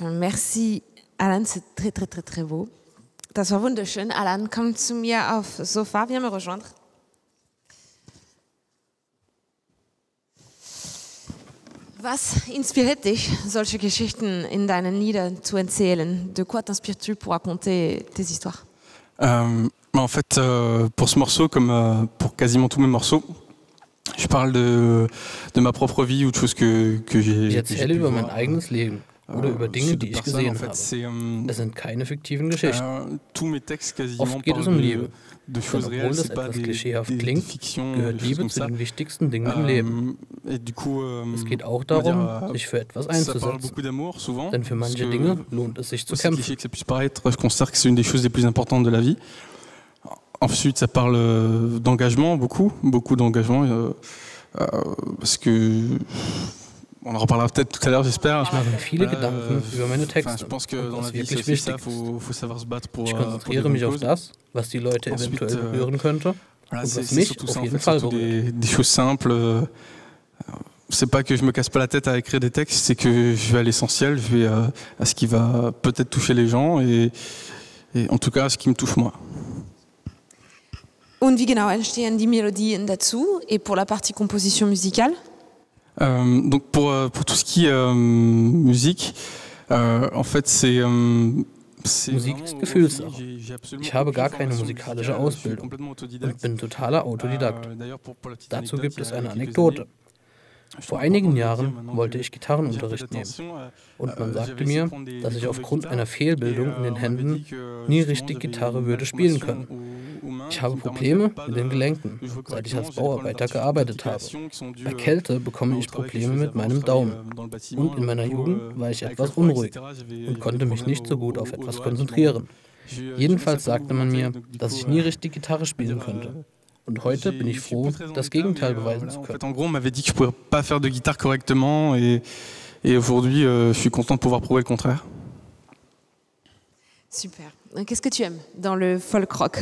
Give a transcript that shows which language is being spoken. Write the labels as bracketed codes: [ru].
[fr] Merci, Alan, c'est très, très, très, très beau. [de] Das war wunderschön. Alan, komm zu mir auf Sofa, [fr] viens me rejoindre. [de] Was inspiriert dich, solche Geschichten in deinen Liedern zu erzählen? [fr] De quoi t'inspires-tu pour raconter tes histoires? Pour ce morceau, comme pour quasiment tous mes morceaux, je parle de ma propre vie ou de choses que j'ai vécues. [de] J'erzähle über mein eigenes Leben oder über Dinge, die ich gesehen habe. Das sind keine fiktiven Geschichten. [fr] Tous mes textes quasiment [de] oft geht es um Liebe. [fr] De choses réelles, c'est pas des [de] klischeehaft klingt, Fiction, gehört Liebe zu den wichtigsten Dingen im Leben. Es geht auch darum, sich für etwas einzusetzen. Denn für manche Dinge lohnt es sich zu kämpfen. [fr] Je constate que c'est une des choses les plus importantes de la vie. Ensuite, ça parle d'engagement, beaucoup d'engagement, parce que on en reparlera peut-être tout à l'heure, j'espère. Je m'en fais [de] viele Gedanken über meine Texte. [fr] Je pense que dans la vie, c'est aussi ça, faut savoir se battre pour. [de] Ich konzentriere mich auf das, was die Leute eventuell hören könnte, und was mich auf jeden Fall berührt. [fr] Des choses simples. C'est pas que je me casse pas la tête à écrire des textes, c'est que je vais à l'essentiel, je vais à ce qui va peut-être toucher les gens et en tout cas à ce qui me touche moi. [de] Und wie genau entstehen die Melodien dazu [fr] et pour la partie composition musicale? Donc pour tout ce qui est musique, en fait c'est... [de] Musik ist Gefühlssache. Ich habe gar keine musikalische Ausbildung und bin totaler Autodidakt. Dazu gibt es eine Anekdote. Vor einigen Jahren wollte ich Gitarrenunterricht nehmen und man sagte mir, dass ich aufgrund einer Fehlbildung in den Händen nie richtig Gitarre würde spielen können. Ich habe Probleme mit den Gelenken, seit ich als Bauarbeiter gearbeitet habe. Bei Kälte bekomme ich Probleme mit meinem Daumen. Und in meiner Jugend war ich etwas unruhig und konnte mich nicht so gut auf etwas konzentrieren. Jedenfalls sagte man mir, dass ich nie richtig Gitarre spielen könnte. Und heute bin ich froh, das Gegenteil beweisen zu können. [fr] En gros, on m'avait dit que je pouvais pas faire de guitare correctement et aujourd'hui, je suis content de pouvoir prouver le contraire. Super. Qu'est-ce que tu aimes dans le folk rock?